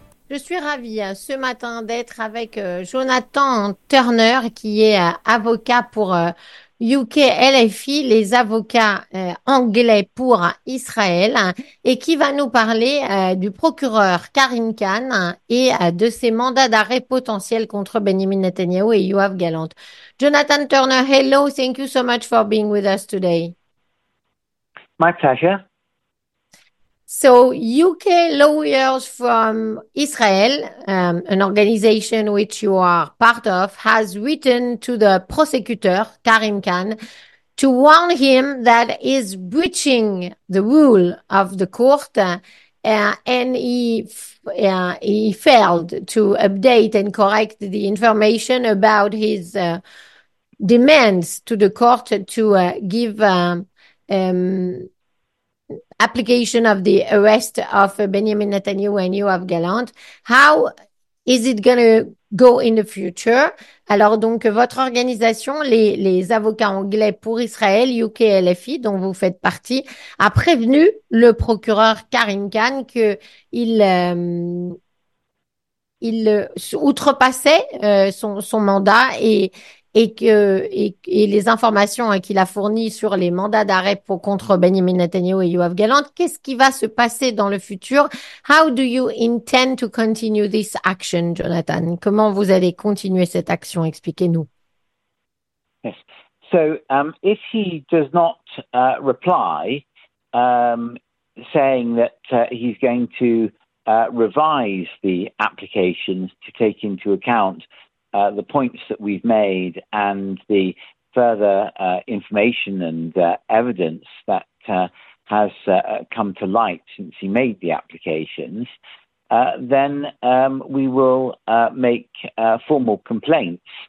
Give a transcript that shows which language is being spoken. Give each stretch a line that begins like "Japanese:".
French: Je suis ravie ce matin d'être avec Jonathan Turner, qui est avocat pour UK LFI, les avocats anglais pour Israël, et qui va nous parler du procureur Karim Khan et de ses mandats d'arrêt potentiels contre Benjamin Netanyahu et Yoav Gallant.
English: Jonathan Turner, hello, thank you so much for being with us today. My pleasure. So UK lawyers from Israel, an organization which you are part of, has written to the prosecutor, Karim Khan, to warn him that he's breaching the rule of the court, and he failed to update and correct the information about his demands to the court to give application of the arrest of Benjamin Netanyahu and Yoav Gallant. How is it going to go in the future?
French: Alors, donc, votre organisation, les avocats anglais pour Israël, UK LFI, dont vous faites partie, a prévenu le procureur Karim Khan qu'il outrepassait son mandat et les informations qu'il a fournies sur les mandats d'arrêt pour contre Benjamin Netanyahu et Yoav Gallant. Qu'est-ce qui va se passer dans le futur?
English: How do you intend to continue this action, Jonathan?
French: Comment vous allez continuer cette action? Expliquez-nous.
English: Yes. So, if he does not reply, saying that he's going to revise the applications to take into account the points that we've made and the further information and evidence that has come to light since he made the applications, then we will make formal complaints,